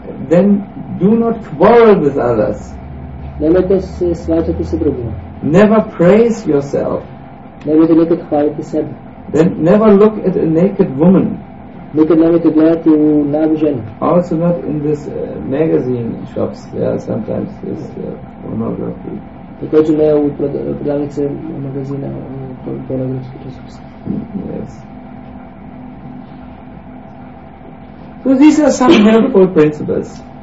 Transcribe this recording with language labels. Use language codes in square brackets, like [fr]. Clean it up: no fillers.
[en] Then do not quarrel with others. [sr] Nemojte se svađati sa drugima. [en] Never praise yourself. [sr] Nemojte nikad hvaliti sebe. [en] Then never look at a naked woman. [sr] Nikad nemojte gledati u nagu ženu. [en] Also not in this magazine shops. There are sometimes this pornography. [sr] Također ne u prodavnice magazina pornografski časopis. [en] Yes. So these are some helpful principles.